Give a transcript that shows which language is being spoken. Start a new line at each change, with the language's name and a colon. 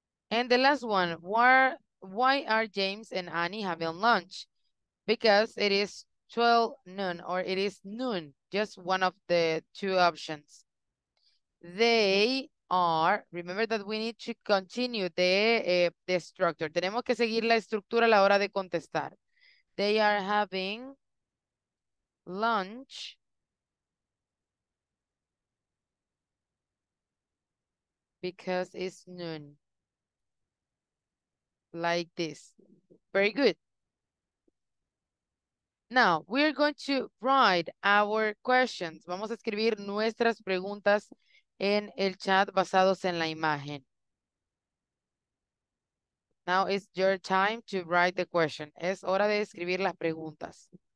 English: And the last one, why are James and Annie having lunch? Because it is 12 noon, or it is noon, just one of the two options. They are, remember that we need to continue the structure.
Spanish: Tenemos que seguir la estructura a la hora de contestar.
English: They are having lunch because it's noon. Like this. Very good. Now, we are going to write our questions.
Spanish: Vamos a escribir nuestras preguntas en el chat basados en la imagen.
English: Now it's your time to write the question.
Spanish: Es hora de escribir las preguntas.